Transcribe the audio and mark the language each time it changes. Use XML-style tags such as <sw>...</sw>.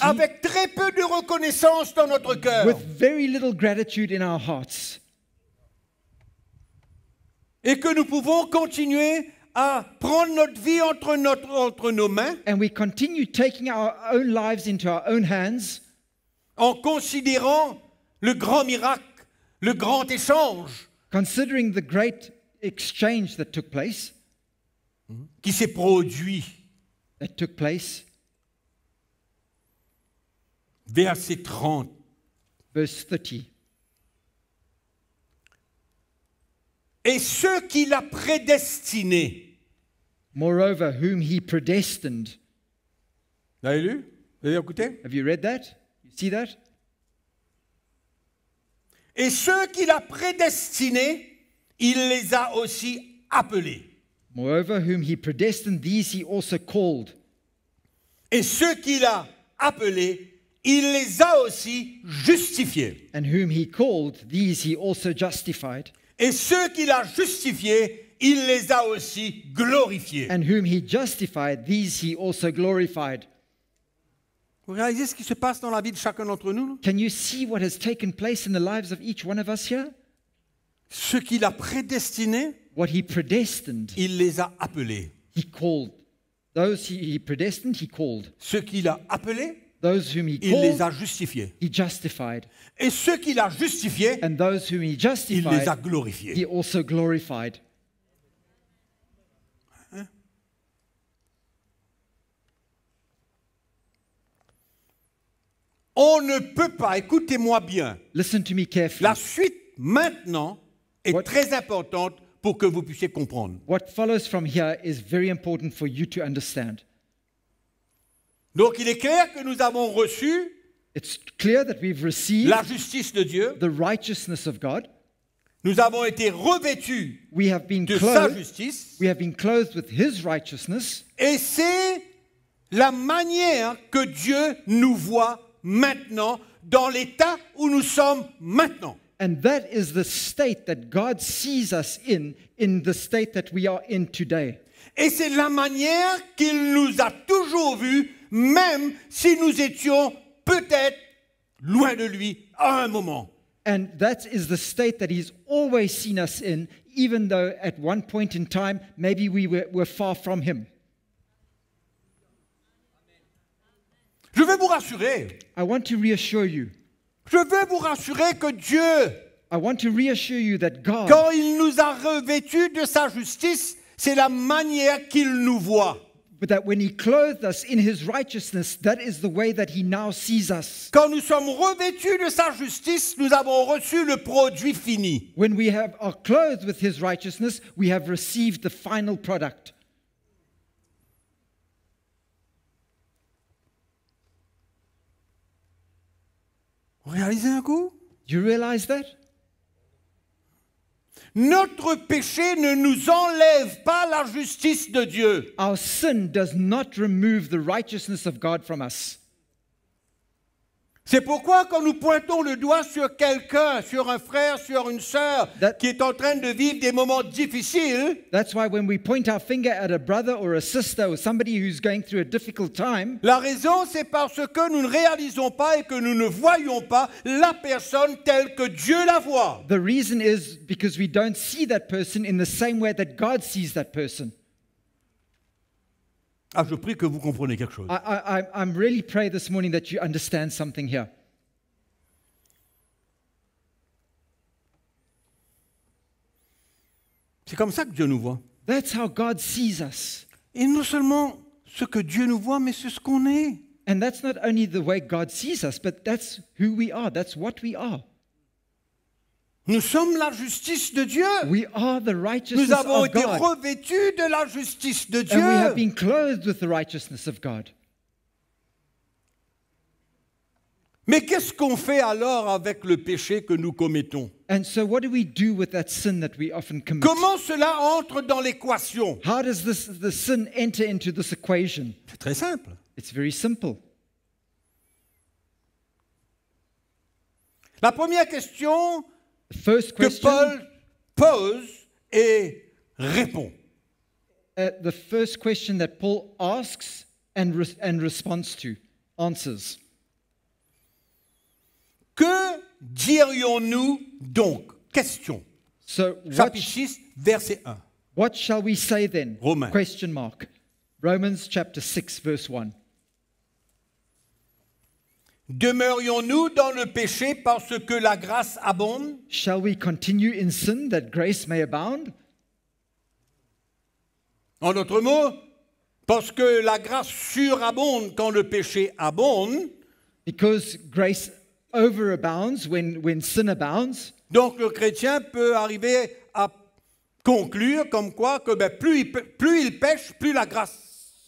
<fr>Avec très peu de reconnaissance dans notre cœur.</fr> <en>With very little gratitude in our hearts.</en> <fr>Et que nous pouvons continuer à prendre notre vie entre nos mains.</fr> <en>And we continue taking our own lives into our own hands.</en> <fr>En considérant le grand miracle, le grand échange.</fr> <en>Considering the great exchange that took place.</en> <fr>Qui s'est produit.</fr> <en>That took place.</en> <fr>Verset 30.</fr> <en>Verse 30.</en> <fr>Et ceux qu'il a prédestinés.</fr> <en>Moreover, whom he predestined.</en> <fr>L'avez lu? L'avez écouté?</fr> <en>Have you read that? You see that?</en> <fr>Et ceux qu'il a prédestinés, il les a aussi appelés.</fr> <en>Moreover, whom he predestined, these he also called.</en> <fr>Et ceux qu'il a appelés, il les a aussi justifiés.</fr> <en>And whom he called, these he also justified.</en> <fr>Et ceux qu'il a justifiés, il les a aussi glorifiés.</fr> <en>And whom he justified, these he also glorified.</en> <fr>Vous réalisez ce qui se passe dans la vie de chacun d'entre nous?</fr> <en>Can you see what has taken place in the lives of each one of us here?</en> <fr>Ce qu'il a prédestiné,</fr> <en>what he predestined,</en> <fr>il les a appelés.</fr> <en>He called those he predestined. He called</en> <fr>ce qu'il a appelé.</fr> <en>Those whom he</en> <fr>il</fr> <en>called,</en> <fr>les a justifiés.</fr> <en>He justified.</en> <fr>Et ceux qu'il a justifiés,</fr> <en>and those whom he justified,</en> <fr>il les a glorifiés.</fr> <en>He also glorified.</en> <fr>On ne peut pas, écoutez-moi bien.</fr> <en>Listen to me carefully.</en> <fr>La suite maintenant est très importante pour que vous puissiez comprendre.</fr> <en>What follows from here is very important for you to understand.</en> <fr>Donc il est clair que nous avons reçu</fr> <en>It's clear that we've received</en> <fr>la justice de Dieu.</fr> <en>The righteousness of God.</en> <fr>Nous avons été revêtus</fr> <en>we have been</en> <fr>de</fr> <en>clothed,</en> <fr>sa justice.</fr> <en>We have been clothed with his righteousness.</en> <fr>Et c'est la manière que Dieu nous voit maintenant, dans l'état où nous sommes maintenant.</fr> <en>And that is the state that God sees us in the state that we are in today.</en> <fr>Et c'est la manière qu'il nous a toujours vus, même si nous étions peut-être loin de lui à un moment.</fr> <en>And that is the state that he's always seen us in, even though at one point in time, maybe we were far from him.</en> <fr>Je veux vous rassurer.</fr> <en>I want to reassure you.</en> <fr>Je veux vous rassurer que Dieu,</fr> <en>I want to reassure you that God,</en> <fr>quand il nous a revêtus de sa justice, c'est la manière qu'il nous voit.</fr> <en>But that when he clothed us in his righteousness, that is the way that he now sees us.</en> <fr>Quand nous sommes revêtus de sa justice, nous avons reçu le produit fini.</fr> <en>When we have are clothed with his righteousness, we have received the final product.</en> <fr>Vous réalisez un coup?</fr> <en>You realize that?</en> <fr>Notre péché ne nous enlève pas la justice de Dieu.</fr> <en>Our sin does not remove the righteousness of God from us.</en> <fr>C'est pourquoi quand nous pointons le doigt sur quelqu'un, sur un frère, sur une sœur qui est en train de vivre des moments difficiles,</fr> <en>that's why when we point our finger at a brother or a sister or somebody who's going through a difficult time,</en> <fr>la raison c'est parce que nous ne réalisons pas et que nous ne voyons pas la personne telle que Dieu la voit.</fr> <en>The reason is because we don't see that person in the same way that God sees that person.</en> <fr>Ah, je prie que vous compreniez quelque chose.</fr> <en>I'm really pray this morning that you understand something here.</en> <fr>C'est comme ça que Dieu nous voit.</fr> <en>That's how God sees us.</en> <fr>Et non seulement ce que Dieu nous voit, mais c'est ce qu'on est.</fr> <en>And that's not only the way God sees us, but that's who we are. That's what we are.</en> <fr>Nous sommes la justice de Dieu.</fr> <en>We are the righteousness</en> <fr>Nous avons été revêtus de la justice de Dieu.</fr> <en>And we have been clothed with the righteousness of God.</en> <fr>Mais qu'est-ce qu'on fait alors avec le péché que nous commettons?</fr> <en>And so what do we do with that sin that we often commit?</en> <fr>Comment cela entre dans l'équation?</fr> <en>How does the sin enter into this equation?</en> <fr>C'est très simple.</fr> <en>It's very simple.</en> <fr>La première question</fr> <en>First question,</en> <fr>que Paul pose et répond.</fr> <en>The first question that Paul asks and responds to, answers.</en> <fr>Que dirions-nous donc? Question.</fr> <en>So,</en> <fr>chapitre 6, verset 1.</fr> <en>What shall we say then?</en> <fr>Romains.</fr> <en>Question mark. Romans chapter 6, verse 1.</en> <fr>Demeurions-nous dans le péché parce que la grâce abonde?</fr> <en>Shall we continue in sin that grace may abound?</en> <fr>En d'autres mots, parce que la grâce surabonde quand le péché abonde.</fr> <en>Because grace overabounds when sin abounds.</en> <fr>Donc le chrétien peut arriver à conclure comme quoi que ben plus il pêche, plus la grâce.</fr>